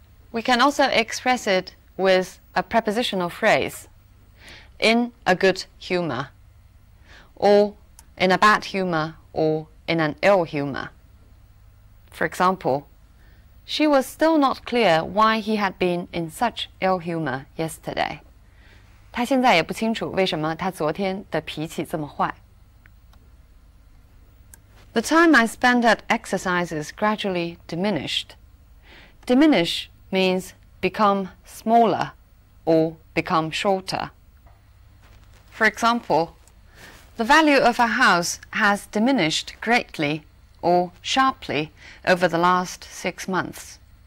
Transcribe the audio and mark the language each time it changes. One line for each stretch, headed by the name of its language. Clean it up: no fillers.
English: We can also express it with a prepositional phrase, in a good humor, or in a bad humor, or in an ill humor. For example, she was still not clear why he had been in such ill humor yesterday.
Chinese: 她现在也不清楚为什么她昨天的脾气这么坏。
English: The time I spent at exercises gradually diminished. Diminish means become smaller or become shorter. For example, the value of a house has diminished greatly or sharply over the last 6 months.